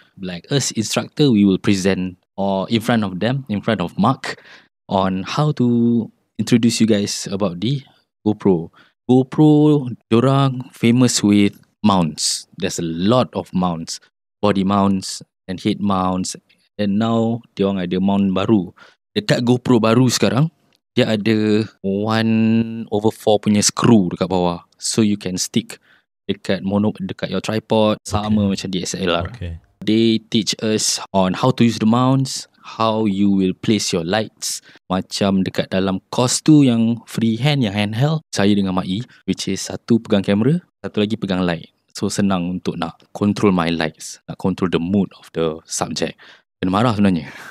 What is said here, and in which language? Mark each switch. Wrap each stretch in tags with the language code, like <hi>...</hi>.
<en>Like us instructor, we will present or in front of them, in front of Mark, on how to introduce you guys about the GoPro. GoPro,</en> <ms>diorang</ms> <en>famous with mounts. There's a lot of mounts. Body mounts and head mounts. And now,</en> <ms>diorang ada mount baru. Dekat GoPro baru sekarang, dia ada 1/4 punya screw dekat bawah.</ms> <en>So you can stick</en> <ms>dekat mono, dekat</ms> <en>your tripod.</en> <ms>Sama macam DSLR.</ms> <en>Okay. They teach us on how to use the mounts, how you will place your lights.</en> <ms>Macam dekat dalam course tu yang freehand, yang handheld, saya dengan Mai,</ms> <en>which is</en> <ms>satu pegang kamera, satu lagi pegang light.</ms> <en>So</en> <ms>senang untuk nak</ms> <en>control my lights,</en> <ms>nak</ms> <en>control the mood of the subject.</en> <ms>Kena marah sebenarnya.</ms>